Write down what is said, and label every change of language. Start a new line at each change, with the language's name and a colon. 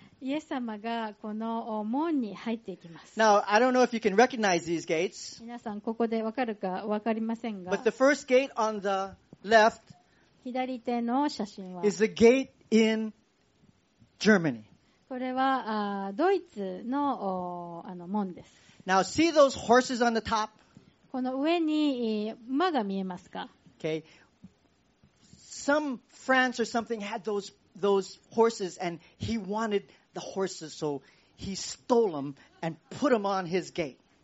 Japanese: イエス様がこの門に入っていきます。
English: Now, I don't know if you can recognize these gates.
Japanese: 皆さんここでわかるかわかりませんが。
English: But the first gate on the left
Japanese: 左手の写真は
English: is the gate in Germany.
Japanese: これはドイツの門です。
English: Now, see those horses on the top?
Japanese: この上に馬が見えますか?
English: Okay. Some France or something had those horses and he wanted the horses so he stole them and put them on his gate.